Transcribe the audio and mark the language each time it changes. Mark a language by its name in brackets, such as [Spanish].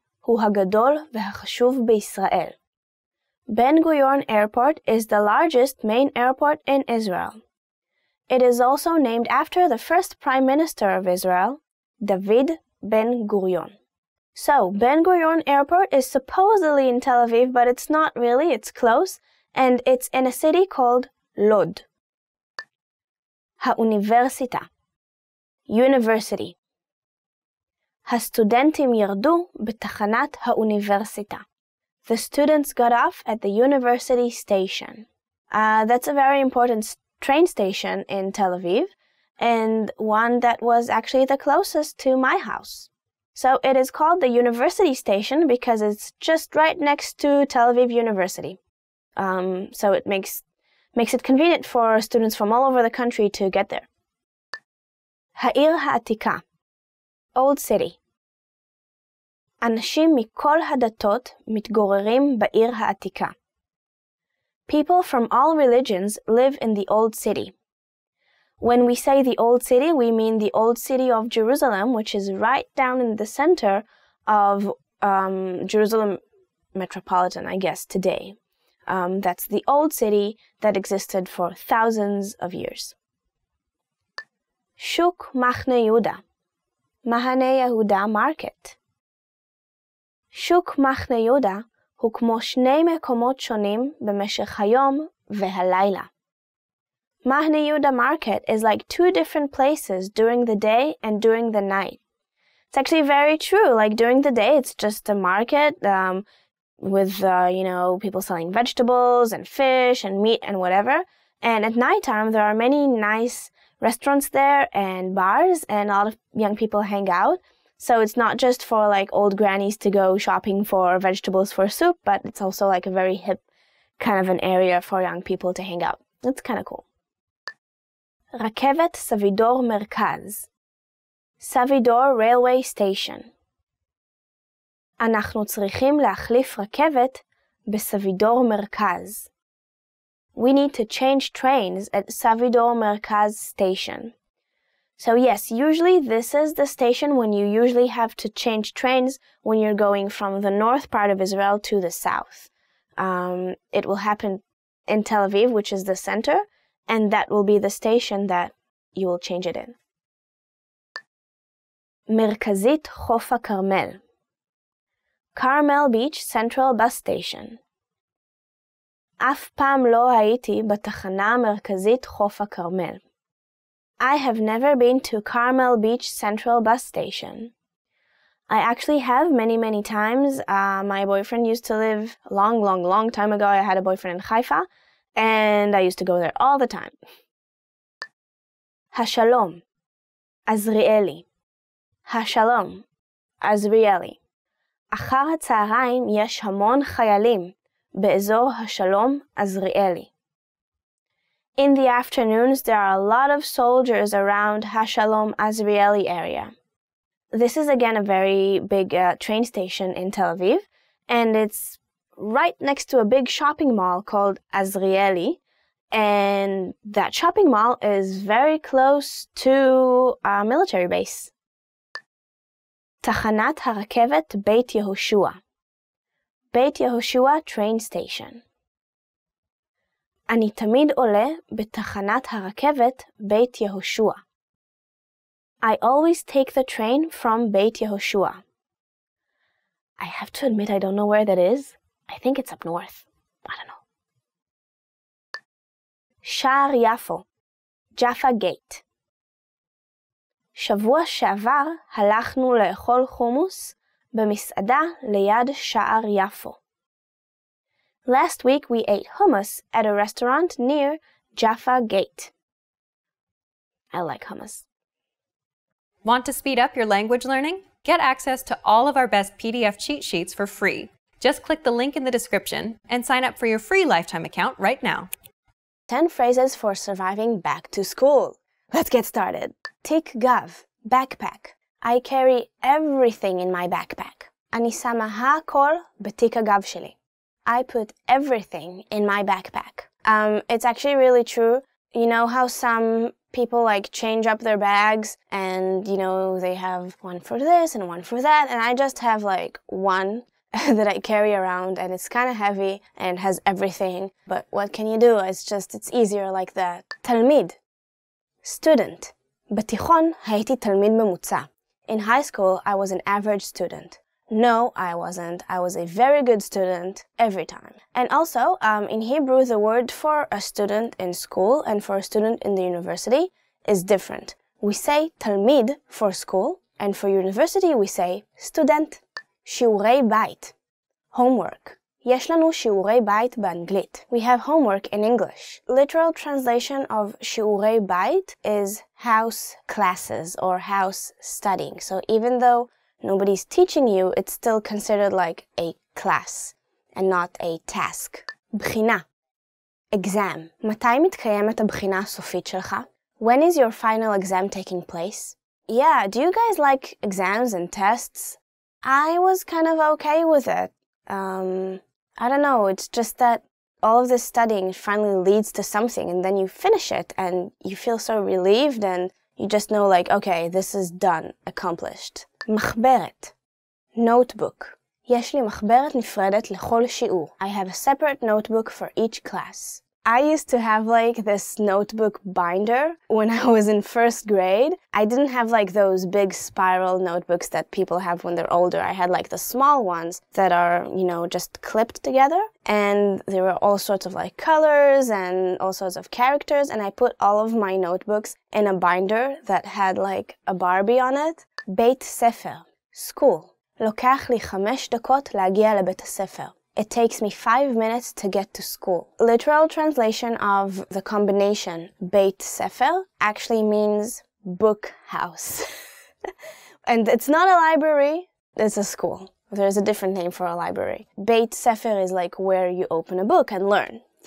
[Hebrew] הוא הגדול והחשוב בישראל. [English] Ben Gurion Airport is the largest main airport in Israel. It is also named after the first Prime Minister of Israel, David Ben Gurion. So, Ben Gurion Airport is supposedly in Tel Aviv, but it's not really, it's close, and it's in a city called Lod. [Hebrew] האוניברסיטה, [English] University. [Hebrew] הסטודנטים ירדו בתחנת האוניברסיטה. [English] The students got off at the university station. That's a very important train station in Tel Aviv, and one that was actually the closest to my house. So it is called the university station because it's just right next to Tel Aviv University. So it makes it convenient for students from all over the country to get there. [Hebrew] העיר העתיקה, [English] Old City. [Hebrew] אנשים מכל הדתות מתגוררים בעיר העתיקה. [English] People from all religions live in the Old City. When we say the Old City, we mean the Old City of Jerusalem, which is right down in the center of Jerusalem metropolitan, I guess, today. That's the Old City that existed for thousands of years. [Hebrew] Shuk Machne Yehuda, [English] Mahane Yehuda Market. [Hebrew] שוק מחנה יהודה הוא כמו שני מקומות שונים במשך היום והלילה. [English] מחנה יהודה market is like two different places during the day and during the night. It's actually very true, like during the day it's just a market with you know, people selling vegetables and fish and meat and whatever, and at night time there are many nice restaurants there and bars, and a lot of young people hang out. So it's not just for like old grannies to go shopping for vegetables for soup, but it's also like a very hip kind of an area for young people to hang out. It's kind of cool. [Hebrew] Rakevet Savidor Merkaz. [English] Savidor Railway Station. [Hebrew] אנחנו צריכים להחליף רכבת בסבידור מרכז. [English] We need to change trains at Savidor Merkaz Station. So yes, usually this is the station when you usually have to change trains when you're going from the north part of Israel to the south. It will happen in Tel Aviv, which is the center, and that will be the station that you will change it in. [Hebrew] Merkazit Chof HaKarmel. [English] Carmel Beach Central Bus Station. [Hebrew] אף פעם לא הייתי בתחנה מרכזית חוף הכרמל. [English] I have never been to Carmel Beach Central Bus Station. I actually have many times. My boyfriend used to live long time ago. I had a boyfriend in Haifa, and I used to go there all the time. [Hebrew] Hashalom, Azrieli. Hashalom, Azrieli. אחר הצהריים יש המון חיילים באזור השלום Azrieli. [English] In the afternoons, there are a lot of soldiers around Hashalom Azrieli area. This is again a very big train station in Tel Aviv, and it's right next to a big shopping mall called Azrieli, and that shopping mall is very close to a military base. [Hebrew] Tachanat HaRakevet Beit Yehoshua. [English] Beit Yehoshua train station. [Hebrew] אני תמיד עולה בתחנת הרכבת בית יהושע. [English] I always take the train from בית יהושע. I have to admit I don't know where that is. I think it's up north. I don't know. [Hebrew] שער יפו, Jaffa Gate. שבוע שעבר הלכנו לאכול חומוס במסעדה ליד שער יפו. [English] Last week we ate hummus at a restaurant near Jaffa Gate. I like hummus. Want to speed up your language learning? Get access to all of our best PDF cheat sheets for free. Just click the link in the description and sign up for your free lifetime account right now. 10 phrases for surviving back to school. Let's get started. [Hebrew] Tik gav, [English] backpack. I carry everything in my backpack. [Hebrew] אני שמה הכל בתיק הגב שלי. [English] I put everything in my backpack. It's actually really true. You know how some people like change up their bags and, you know, they have one for this and one for that. And I just have like one that I carry around and it's kind of heavy and has everything. But what can you do? It's just, it's easier like that. [Hebrew] Talmid. [English] Student. [Hebrew] בתיכון הייתי תלמיד ממוצע. [English] In high school, I was an average student. No, I wasn't. I was a very good student every time. And also, in Hebrew, the word for a student in school and for a student in the university is different. We say תלמיד for school, and for university we say student. [Hebrew] שיעורי בית. [English] Homework. [Hebrew] יש לנו שיעורי בית באנגלית. [English] We have homework in English. Literal translation of שיעורי בית is house classes or house studying. So even though nobody's teaching you, it's still considered like a class and not a task. [Hebrew] בחינה. [English] Exam. [Hebrew] מתי מתקיימת הבחינה הסופית שלך? [English] When is your final exam taking place? Yeah, do you guys like exams and tests? I was kind of okay with it. I don't know, it's just that all of this studying finally leads to something and then you finish it and you feel so relieved and you just know like, okay, this is done, accomplished. [Hebrew] מחברת. [English] Notebook. [Hebrew] יש לי מחברת נפרדת לכל שיעור. [English] I have a separate notebook for each class. I used to have like this notebook binder when I was in first grade. I didn't have like those big spiral notebooks that people have when they're older. I had like the small ones that are, you know, just clipped together. And there were all sorts of like colors and all sorts of characters. And I put all of my notebooks in a binder that had like a Barbie on it. [Hebrew] בית ספר. [English] School. [Hebrew] לוקח לי 5 דקות להגיע לבית הספר. [English] It takes me 5 minutes to get to school. Literal translation of the combination בית ספר actually means book house. And it's not a library, it's a school. There's a different name for a library. בית ספר is like where you open a book and learn.